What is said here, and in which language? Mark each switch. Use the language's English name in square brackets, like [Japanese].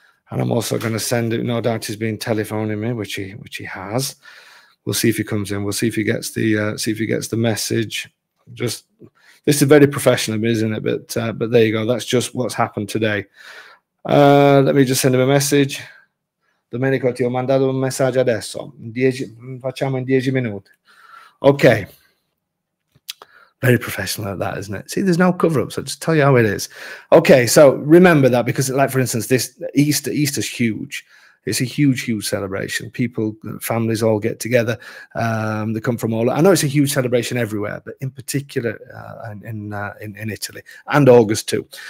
[English] And I'm also going to send it. No doubt he's been telephoning me, which he has. We'll see if he comes in. We'll see if he gets the message. Just, this is very professional, isn't it? But there you go. That's just what's happened today. Let me just send him a message. [Italian] Domenico, ti ho mandato un messaggio adesso. Facciamo in 10 minuti. Okay. [English] Very professional at that, isn't it? See, there's no cover-up, so I'll just tell you how it is. Okay, so remember that, because, like, for instance, this Easter's huge. It's a huge, huge celebration. People, families all get together. They come from all... I know it's a huge celebration everywhere, but in particular in Italy, and August too.